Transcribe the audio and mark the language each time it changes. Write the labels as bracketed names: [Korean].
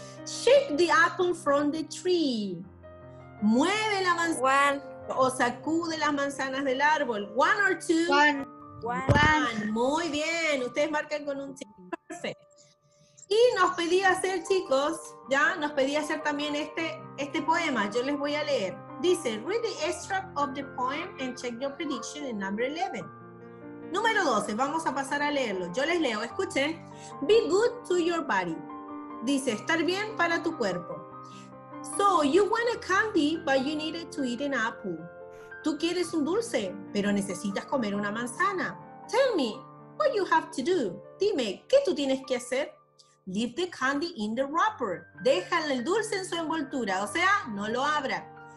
[English] Shake the apple from the tree. [Spanish] Mueve la manzana. [English] One. [Spanish] O sacude las manzanas del árbol. [English] One or two. One. [Spanish] One. Muy bien. Ustedes marcan con un tick. Perfecto. Y nos pedí hacer, chicos, ya, nos pedí hacer también este poema. Yo les voy a leer. [English] Dice, read the extract of the poem and check your prediction in number 11. [Spanish] Número 12, vamos a pasar a leerlo. Yo les leo, escuchen. [English] Be good to your body. [Spanish] Dice, estar bien para tu cuerpo. [English] So, you want a candy, but you needed to eat an apple. [Spanish] Tú quieres un dulce, pero necesitas comer una manzana. [English] Tell me, what you have to do. [Spanish] Dime, ¿qué tú tienes que hacer? [English] Leave the candy in the wrapper. [Spanish] Deja el dulce en su envoltura, o sea, no lo abra.